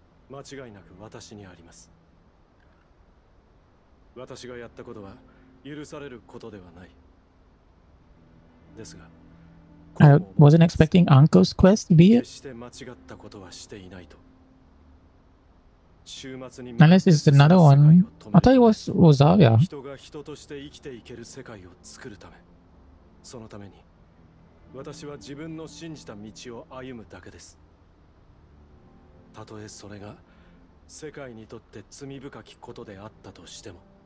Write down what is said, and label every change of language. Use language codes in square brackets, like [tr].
[ja] 間違いなく私にあります。 私がやったことは、許されることではない。ですが、 [en] I wasn't expecting Uncle's quest to be it. [ja] 決して間違ったことはしていないと。週末に [en] Unless it's another one. I thought it was Rosaria. [ja] 人が人として生きていける世界を作るため。そのために、私は自分の信じた道を歩むだけです。たとえそれが世界にとって罪深きことであったとしても。